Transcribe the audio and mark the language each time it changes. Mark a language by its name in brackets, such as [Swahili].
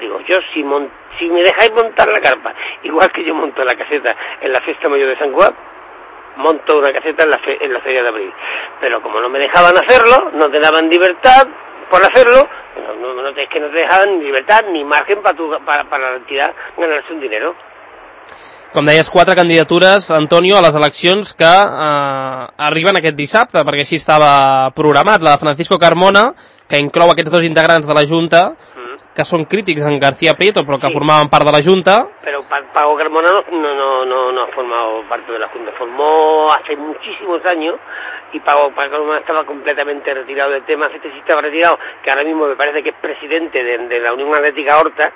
[Spanish] Digo, yo si me dejáis montar la carpa, igual que yo monto la caseta en la fiesta mayor de San Juan, monto una caseta en la feria de abril. Pero como no me dejaban hacerlo, no te daban libertad por hacerlo, no, es que no te dejaban ni libertad ni margen para la entidad ganarse un dinero. [Catalan] Com deies, 4 candidatures, Antonio, a les eleccions que arriben aquest dissabte, perquè així estava programat. La de Francisco Carmona, que inclou aquests 2 integrants de la Junta, que són crítics en García Prieto, però que sí, formaven part de la Junta. [Spanish] Però Pago Carmona no ha formado parte de la Junta. Formó hace muchísimos años y Pago Carmona estaba completamente retirado del tema. Este sí estaba retirado, que ahora mismo me parece que es presidente de la Unión Atlética Horta.